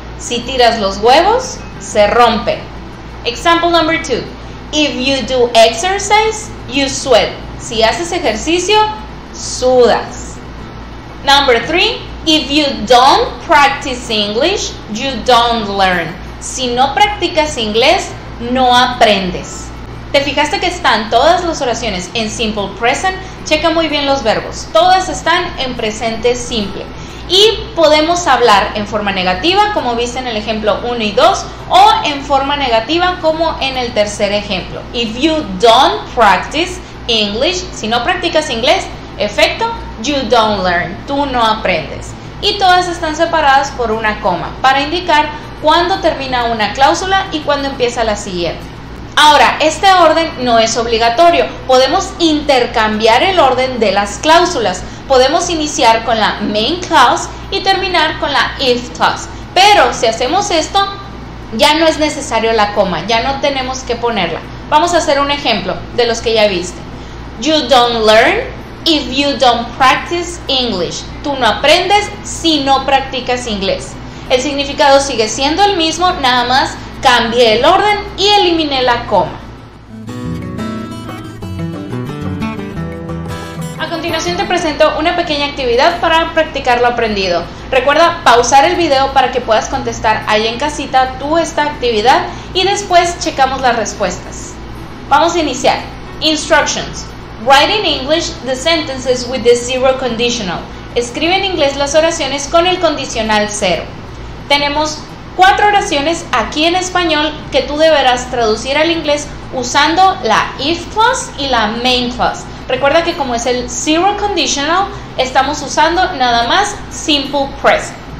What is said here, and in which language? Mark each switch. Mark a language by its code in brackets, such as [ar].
[es] Si tiras los huevos, se rompe. [en] Example number two. If you do exercise, you sweat. [es] Si haces ejercicio, sudas. [en] Number three, if you don't practice English, you don't learn. [es] Si no practicas inglés, no aprendes. ¿Te fijaste que están todas las oraciones en simple present? Checa muy bien los verbos. Todas están en presente simple. Y podemos hablar en forma negativa, como viste en el ejemplo 1 y 2, o en forma negativa, como en el tercer ejemplo. [en] If you don't practice, [es] English, si no practicas inglés, efecto, [en] you don't learn, [es] tú no aprendes. Y todas están separadas por una coma, para indicar cuándo termina una cláusula y cuándo empieza la siguiente. Ahora, este orden no es obligatorio, podemos intercambiar el orden de las cláusulas. Podemos iniciar con la main clause y terminar con la if clause. Pero si hacemos esto, ya no es necesario la coma, ya no tenemos que ponerla. Vamos a hacer un ejemplo de los que ya viste. [en] You don't learn if you don't practice English. [es] Tú no aprendes si no practicas inglés. El significado sigue siendo el mismo, nada más cambié el orden y eliminé la coma. A continuación te presento una pequeña actividad para practicar lo aprendido. Recuerda pausar el video para que puedas contestar ahí en casita tú esta actividad y después checamos las respuestas. Vamos a iniciar. Instructions. [en] Write in English the sentences with the zero conditional. [es] Escribe en inglés las oraciones con el condicional cero. Tenemos 4 oraciones aquí en español que tú deberás traducir al inglés usando la if clause y la main clause. Recuerda que como es el zero conditional, estamos usando nada más simple present.